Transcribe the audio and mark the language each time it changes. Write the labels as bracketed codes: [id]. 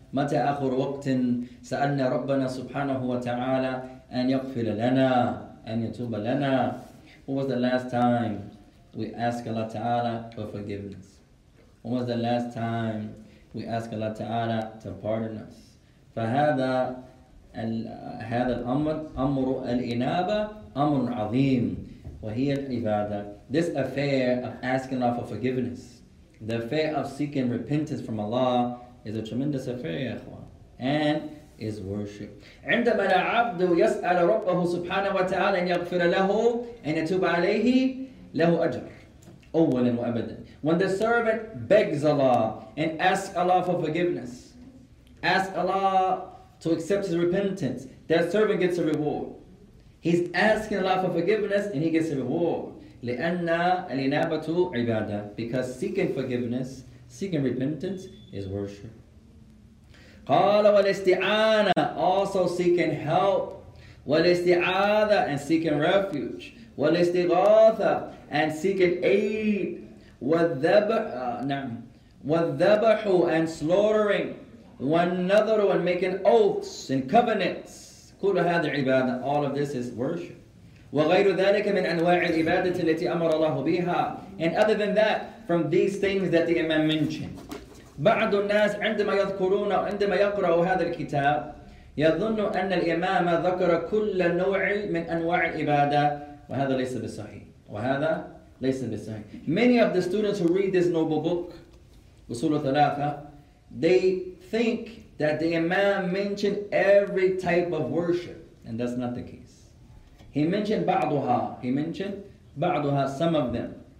[ar] مَتَى أَخُرُ وَقْتٍ سَأَلْنَا رَبَّنَا سُبْحَانَهُ وَتَعَالَى أَنْ يَغْفِرَ لَنَا أَنْ يَتُوبَ لَنَا. [en] When was the last time we asked Allah Ta'ala for forgiveness? When was the last time we asked Allah Ta'ala to pardon us? [ar] فَهَذَا هذا الأمر أمر الإنابة أمر عظيم وهي العبادة. [en] This affair of asking Allah for forgiveness, the affair of seeking repentance from Allah, is a tremendous affair, [ar] يا إخوان, [en] and is worship. [ar] عندما العبد يسأل ربه سبحانه وتعالى أن يغفر له أن يتوب عليه له أجر أولا وأبدا. [en] When the servant begs Allah and asks Allah for forgiveness, ask Allah to accept his repentance, that servant gets a reward. He's asking Allah for forgiveness and he gets a reward. [ar] لأن الإنابة عبادة. [en] Because seeking forgiveness, seeking repentance is worship. [ar] قال والاستعانة, [en] also seeking help. [ar] والاستعاذة, [en] and seeking refuge. [ar] والاستغاثة, [en] and seeking aid. [ar] والذبح, [en] and slaughtering. [ar] والنذر, [en] and making oaths and covenants. [ar] كل هذا عبادة, [en] all of this is worship. [ar] وغير ذلك من أنواع العبادة التي أمر الله بها. [en] And other than that, from these things that the Imam mentioned. [ar] بعض الناس عندما يذكرون أو عندما يقرأوا هذا الكتاب يظن أن الإمام ذكر كل نوع من أنواع العبادة, وهذا ليس بالصحيح, وهذا [en] Listen this time. Many of the students who read this noble book, Usool Thalaathah, they think that the Imam mentioned every type of worship, and that's not the case. He mentioned [ar] بعضها. [en] He mentioned بعضها, some of them.